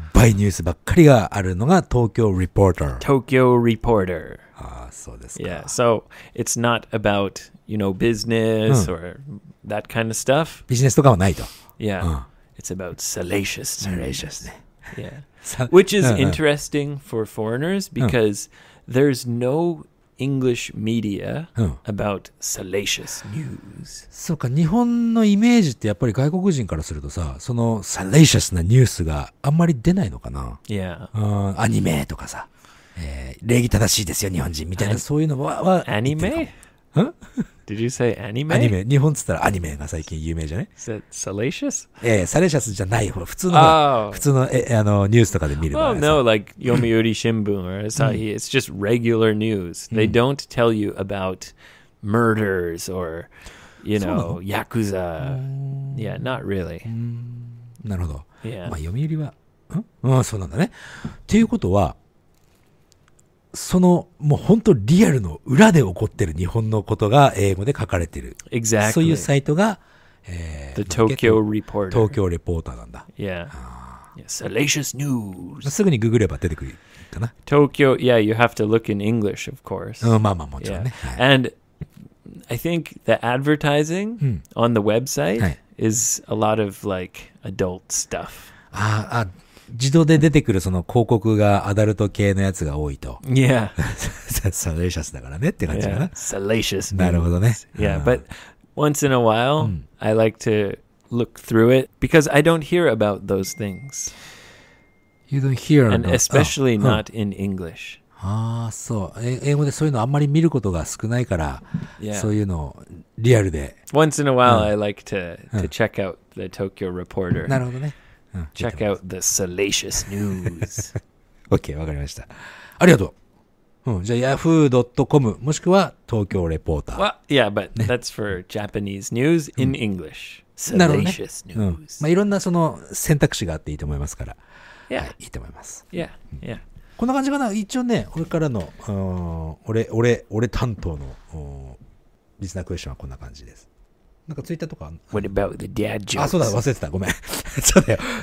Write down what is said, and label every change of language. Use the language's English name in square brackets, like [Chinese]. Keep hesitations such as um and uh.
[Japanese] ばいニュースばっかりがあるのが東京リポーター。東京リポーター。ああ、そうですか。 [English] Yeah, so it's not about, you know, business、うん、or that kind of stuff. [Japanese] ビジネスとかはないと。 [English] Yeah,、うん、it's about salacious news. Salacious ね。Yeah. Which is interesting for foreigners because there's no English media about、うん、salacious news. [Japanese] そうか、日本のイメージってやっぱり外国人からするとさ、その salacious なニュースがあんまり出ないのかな。<Yeah.、うん、アニメとかさ、えー、礼儀正しいですよ、日本人みたいな、そういうのは。アニメ [English] Did you say anime? [Japanese] アニメ。日本っつったらアニメが最近有名じゃない [English] Is that salacious? [Japanese] ええー、サレシャスじゃない方。普通の、oh. 普通の,えあのニュースとかで見 [English] る場合。Oh, no, like 読売新聞 or Asahi. It's just regular news. They don't tell you about murders or, you know, Yakuza. Yeah, not really. なるほど。Yeah. [Japanese] まあ読売は、んうん、そうなんだね。っていうことは、そのもう本当リアルの裏で起こってる日本のことが英語で書かれてる。そういうサイトが、えー、The t o k 東京レポーターなん [English] だ。Yeah. Salacious news. [Japanese] すぐにググれば出てく [English] る東京、いや、you have to look in English, of course. [Japanese] うん、まあまあもちろんね。 [English] a はい、And I think the advertising、on the website、is a lot of like adult stuff. ああ。 [Japanese] 自動で出てくるその広告がアダルト系のやつが多いと。 [English] Yeah. [Japanese] サレーシャスだからねって感じかな。サレーシャス。なるほどね。 [English] Yeah, but once in a while,、うん、I like to look through it because I don't hear about those things. You don't hear about And especially、oh, not、うん、in English. [Japanese] ああ、そう。英語でそういうのあんまり見ることが少ないから、 [English] yeah. [Japanese] そういうのをリアルで。 [English] Once in a while,、うん、I like to, to check out the Tokyo Reporter. [Japanese] なるほどね。 [English] Check out the salacious news. [Japanese] OK、わかりました。ありがとう。うん、じゃあ、yahoo.com もしくは東京レポーター。 [English] Well, yeah, but that's for Japanese news in English. Salacious news. [Japanese] いろんなその選択肢があっていいと思いますから。 [English] <Yeah. [Japanese] S 2> はい、いいと思います。 [English] Yeah. Yeah. [Japanese] うん、こんな感じかな一応ね、俺からの、俺、俺、俺担当のリスナークエッションはこんな感じです。 [English] What about the dad jokes? [Japanese] あ、そうだ、忘れてた。ごめん。そうだよ。